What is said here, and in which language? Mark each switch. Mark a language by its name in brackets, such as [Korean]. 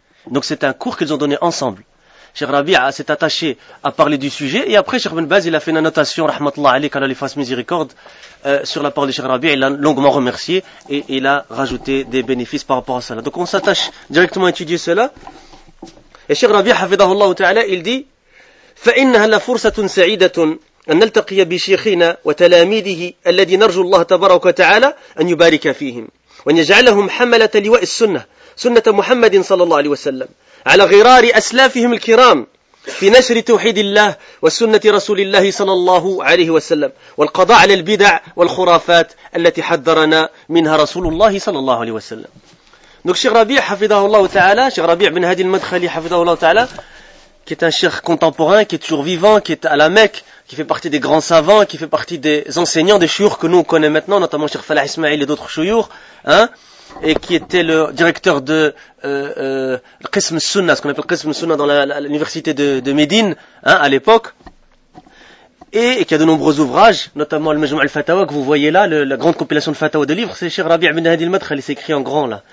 [French] Donc c'est un cours qu'ils ont donné ensemble. Cheikh Rabi' s'est attaché à parler du sujet, et après Cheikh ibn Baz, il a fait une annotation, [Arabic] rahmatullah alayhi, [French] qu'Allah lui fasse miséricorde, sur la parole de Cheikh Rabi', il l'a longuement remercié, et il a rajouté des bénéfices par rapport à cela. Donc on s'attache directement à étudier cela. [Arabic] Et Cheikh Rabi', hafidahullah ta'ala, [French] il dit, [Arabic] فإنها لفرصة سعيدة أن نلتقي بشيخنا وتلاميذه الذي نرجو الله تبارك وتعالى أن يبارك فيهم وأن يجعلهم حملة لواء السنة سنة محمد صلى الله عليه وسلم على غرار أسلافهم الكرام في نشر توحيد الله وسنة رسول الله صلى الله عليه وسلم والقضاء على البدع والخرافات التي حذرنا منها رسول الله صلى الله عليه وسلم. [French] Donc Cheikh Rabi' [Arabic] حفظه الله تعالى, [French] Cheikh Rabi' بن هادي المدخلي حفظه الله تعالى, qui est un cheikh contemporain, qui est toujours vivant, qui est à la Mecque, qui fait partie des grands savants, qui fait partie des enseignants, des chouyours que nous on connaît maintenant, notamment Cheikh Falah Ismail et d'autres chouyours, hein, et qui était le directeur de le Qism Sunna, ce qu'on appelle Qism Sunna dans l'université de Médine, hein, à l'époque, et qui a de nombreux ouvrages, notamment le Majmou' al-Fatawa que vous voyez là, la grande compilation de fatawa de livres, c'est Cheikh Rabi' ibn Hadi al-Madkhali, c'est écrit en grand là.